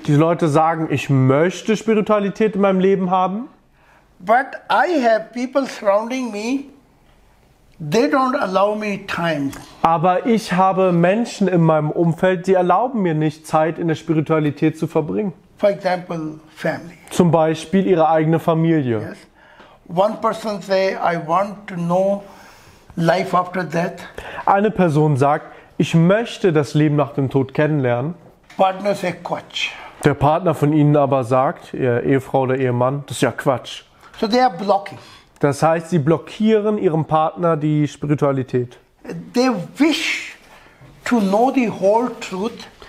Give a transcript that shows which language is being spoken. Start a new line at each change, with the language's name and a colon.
German: Diese Leute sagen, ich möchte Spiritualität in meinem Leben haben.
English: But I have people surrounding me. They don't allow me time.
German: Aber ich habe Menschen in meinem Umfeld, die erlauben mir nicht, Zeit in der Spiritualität zu verbringen.
English: For example, family.
German: Zum Beispiel ihre eigene Familie.
English: Yes. One person say, I want to know life after death.
German: Eine Person sagt, ich möchte das Leben nach dem Tod kennenlernen. Partner sagt Quatsch. Der Partner von Ihnen aber sagt, Ihr Ehefrau oder Ehemann, das ist ja Quatsch.
English: So they are blocking.
German: Das heißt, sie blockieren ihrem Partner die Spiritualität.
English: They wish to know the whole truth.